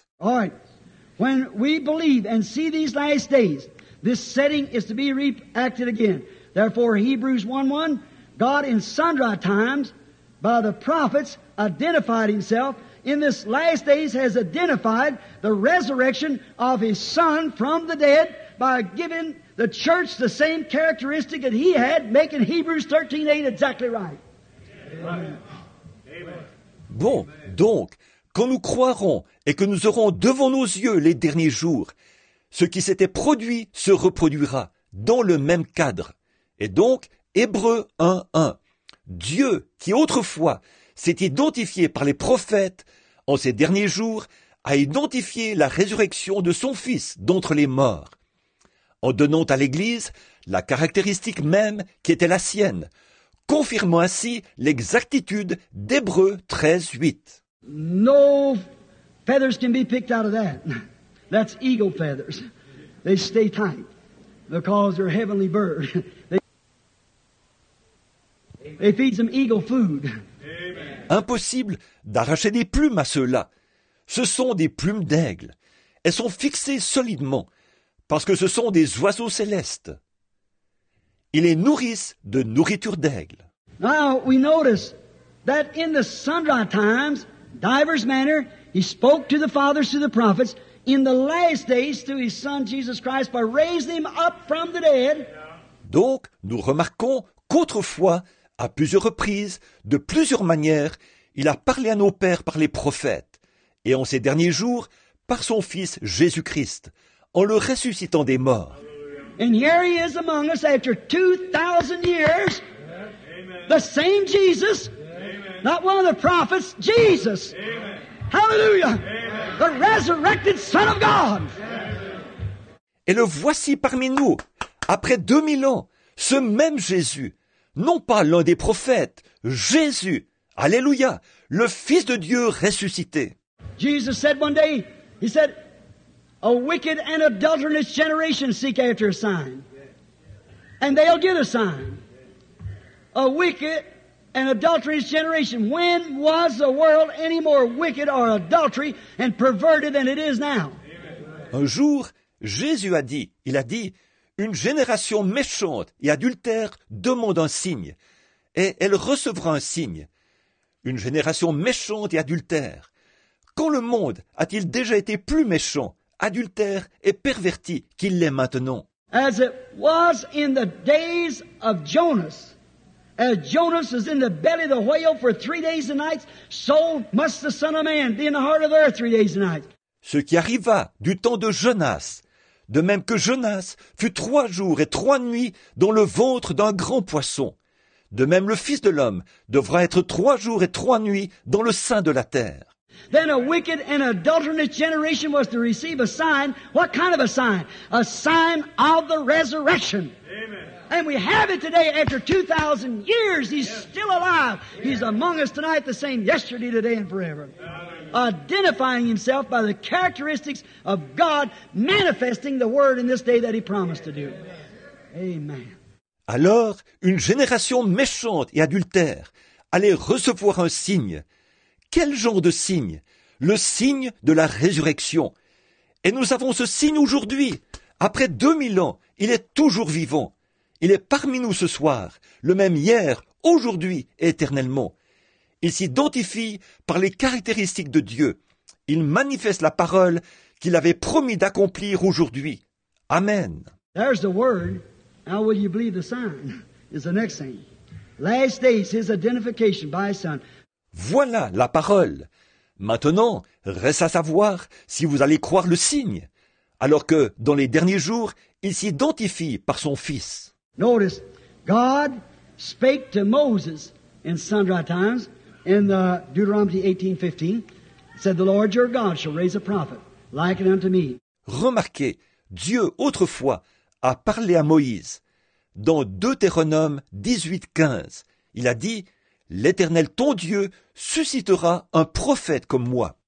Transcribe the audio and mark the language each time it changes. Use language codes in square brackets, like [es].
[en] All right. When we believe and see these last days, this setting is to be reacted again. Therefore, Hebrews 1:1, God in sundry times by the prophets identified himself in this last days has identified the resurrection of his son from the dead by giving the church the same characteristic that he had, making Hebrews 13:8 exactly right. Amen. [fr] Bon, donc, quand nous croirons et que nous aurons devant nos yeux les derniers jours, ce qui s'était produit se reproduira dans le même cadre. Et donc, Hébreux 1:1, Dieu qui autrefois s'est identifié par les prophètes en ces derniers jours a identifié la résurrection de son Fils d'entre les morts, en donnant à l'Église la caractéristique même qui était la sienne, confirmant ainsi l'exactitude d'Hébreux 13:8. [en] No feathers can be picked out of that. That's eagle feathers. They stay tight because they're heavenly bird. They feed them eagle food. Amen. [fr] Impossible d'arracher des plumes à ceux-là. Ce sont des plumes d'aigle. Elles sont fixées solidement parce que ce sont des oiseaux célestes. Ils les nourrissent de nourriture d'aigle. [en] Now we notice that in the sundry times, divers manner, he spoke to the fathers through the prophets, in the last days through his son Jesus Christ by raising him up from the dead. [fr] Donc nous remarquons qu'autrefois, à plusieurs reprises, de plusieurs manières, il a parlé à nos pères par les prophètes, et en ces derniers jours, par son fils Jésus-Christ, en le ressuscitant des morts. [en] And here he is among us after 2,000 years. The same Jesus, amen. Not one of the prophets, Jesus. Amen. Hallelujah. Amen. The resurrected Son of God. Amen. [fr] Et le voici parmi nous, après 2000 ans, ce même Jésus, non pas l'un des prophètes, Jésus, alléluia, le Fils de Dieu ressuscité. [en] Jesus said one day, he said, a wicked and adulterous generation seek after a sign, and they'll get a sign. A wicked and adulterous generation. When was the world any more wicked or adultery and perverted than it is now? [fr] Un jour, Jésus a dit, il a dit, une génération méchante et adultère demande un signe, et elle recevra un signe. Une génération méchante et adultère. Quand le monde a-t-il déjà été plus méchant, adultère et perverti qu'il l'est maintenant? [en] As it was in the days of Jonas, as Jonas was in the belly of the whale for 3 days and nights, so must the Son of Man be in the heart of the earth 3 days and nights. [fr] Ce qui arriva du temps de Jonas, de même que Jonas fut 3 jours et 3 nuits dans le ventre d'un grand poisson. De même le Fils de l'homme devra être 3 jours et 3 nuits dans le sein de la terre. [en] Then a wicked and adulterous generation was to receive a sign. What kind of a sign? A sign of the resurrection. Amen. And we have it today after 2,000 years. He's still alive. He's among us tonight, the same yesterday, today, and forever. Identifying himself by the characteristics of God, manifesting the word in this day that he promised to do. Amen. [fr] Alors, une génération méchante et adultère allait recevoir un signe. Quel genre de signe? Le signe de la résurrection. Et nous avons ce signe aujourd'hui. Après 2000 ans, il est toujours vivant. Il est parmi nous ce soir, le même hier, aujourd'hui et éternellement. Il s'identifie par les caractéristiques de Dieu. Il manifeste la parole qu'il avait promis d'accomplir aujourd'hui. Amen. [en] There's the word. How will you believe the sign? Is the next thing. Last days, his identification by his son. [fr] Voilà la parole. Maintenant, reste à savoir si vous allez croire le signe, alors que dans les derniers jours, il s'identifie par son Fils. [en] Notice, God spake to Moses in sundry times in the Deuteronomy 18:15, said, "The Lord your God shall raise a prophet like unto me." [fr] Remarquez, Dieu autrefois a parlé à Moïse dans Deutéronome 18:15. Il a dit, l'Éternel ton Dieu suscitera un prophète comme moi.